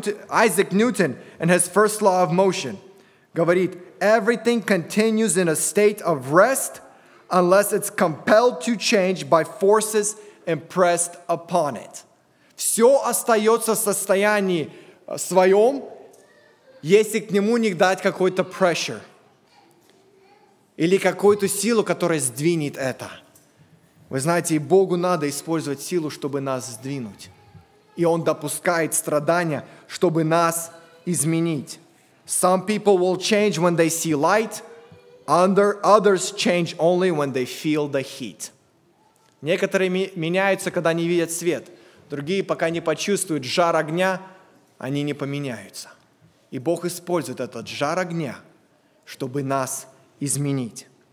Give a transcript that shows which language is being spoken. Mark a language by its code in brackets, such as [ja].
[en] Isaac Newton in his first law of motion [ru] говорит, [en] everything continues in a state of rest unless it's compelled to change by forces impressed upon it. [ru] Все остается в состоянии своем, если к нему не дать какой-то pressure или какую-то силу, которая сдвинет это. Вы знаете, и Богу надо использовать силу, чтобы нас сдвинуть. И Он допускает страдания, чтобы нас изменить. [en] Some people will change when they see light, others change only when they feel the heat. [ru] Некоторые меняются, когда не видят свет, другие пока не почувствуют жар огня, они не поменяются. И Бог использует этот жар огня, чтобы нас изменить.